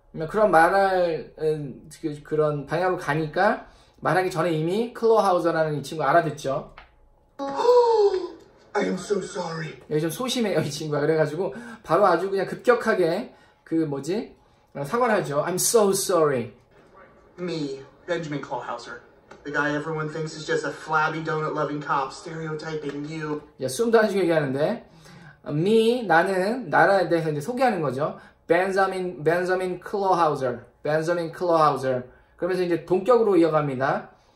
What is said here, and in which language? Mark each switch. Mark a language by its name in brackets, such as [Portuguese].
[Korean] 그런 말을 그런 방향으로 가니까 말하기 전에 이미 클로하우저라는 이 친구 알아듣죠. [English] I am so sorry. [Korean] 여기 좀 소심해요 이 친구가. 그래가지고 바로 아주 그냥 급격하게 그 뭐지 사과를 하죠. [English] I'm so sorry. Me, Benjamin Clawhauser, the guy everyone thinks is just a flabby donut loving cop stereotyping you. [Korean] 야 숨도 안 쉬고 얘기하는데 me 나는 나라에 대해서 이제 소개하는 거죠. [English] Benjamin Clawhauser, Benjamin Clawhauser. [Korean] 그러면서 이제 동격으로 이어갑니다.